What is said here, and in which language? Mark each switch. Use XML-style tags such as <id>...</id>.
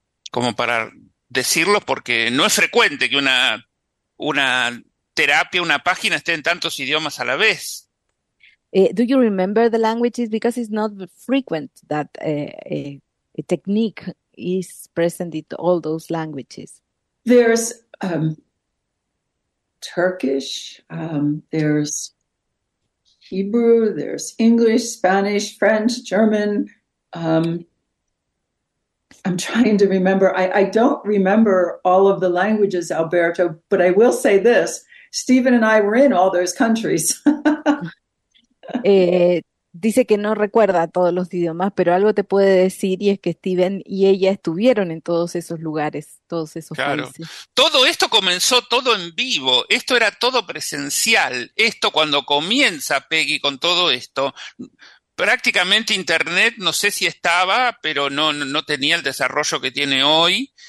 <es>Como para decirlo, porque no es frecuente que una terapia, una página esté en tantos idiomas a la vez.</es> <en>Do you remember the languages? Because it's not frequent that a technique is present in all those languages. There's Turkish, there's Hebrew, there's English, Spanish, French, German. I'm trying to remember. I don't remember all of the languages, Alberto, but I will say this. Stephen and I were in all those countries.</en> <es>Dice que no recuerda todos los idiomas, pero algo te puede decir y es que Steven y ella estuvieron en todos esos lugares, todos esos Claro. países. Todo esto comenzó todo en vivo. Esto era todo presencial. Esto cuando comienza Peggy con todo esto, prácticamente Internet, no sé si estaba, pero no tenía el desarrollo que tiene hoy.</es>